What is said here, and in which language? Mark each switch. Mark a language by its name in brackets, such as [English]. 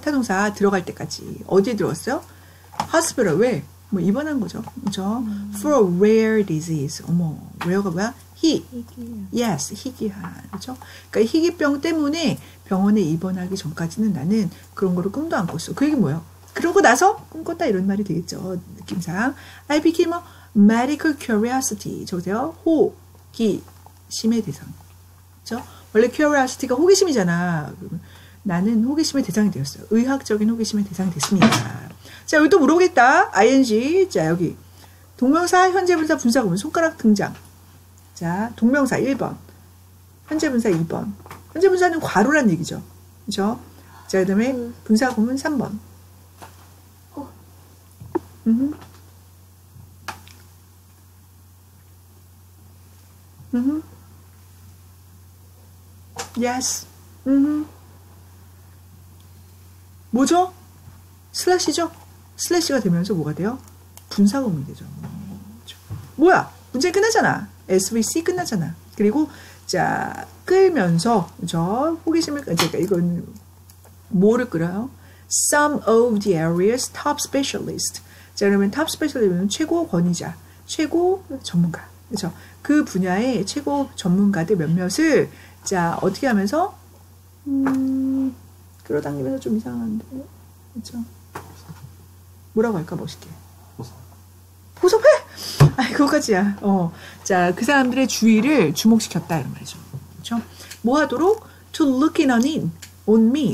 [Korean] 타동사 들어갈 때까지. 어디에 들어갔어요? Hospital, 왜? 뭐 입원한 거죠. 그렇죠? [English] For a rare disease. [Korean] 어머, rare가 뭐야? 희귀한. Yes, 희귀한. 그렇죠? 그러니까 희귀병 때문에 병원에 입원하기 전까지는 나는 그런 거를 꿈도 안 꿨어. 그 얘기 뭐예요? 그러고 나서 꿈꿨다 이런 말이 되겠죠. 느낌상. [English] I became a medical curiosity. [Korean] 저기요? 호기심의 대상. 그렇죠? 원래 curiosity가 호기심이잖아. 나는 호기심의 대상이 되었어요. 의학적인 호기심의 대상이 됐습니다. 자, 여기 또 물어보겠다. ing. 자, 여기. 동명사, 현재분사, 분사 보면 손가락 등장. 자, 동명사 1번. 현재분사 2번. 현재분사는 과로란 얘기죠. 그죠? 자, 그 다음에 분사 보면 3번. 예스. 뭐죠? 슬래시죠? 슬래시가 되면서 뭐가 돼요? 분사구문이 되죠. 뭐야? 문제 끝나잖아. SVC 끝나잖아. 그리고 자 끌면서 저 호기심을 그러니까 이건 뭐를 끌어요? [English] Some of the area's top specialist. [Korean] 자 그러면 top specialist는 최고 권위자, 최고 전문가. 그렇죠? 그 분야의 최고 전문가들 몇몇을 자 어떻게 하면서 끌어당기면서 좀 이상한데 그렇죠? 뭐라고 할까 멋있게 보섭해. 보섭해? 아이 그거까지야. 자, 그 사람들의 주의를 주목시켰다 이런 말이죠. 그렇죠? 뭐 하도록 [English] to look in on in on me.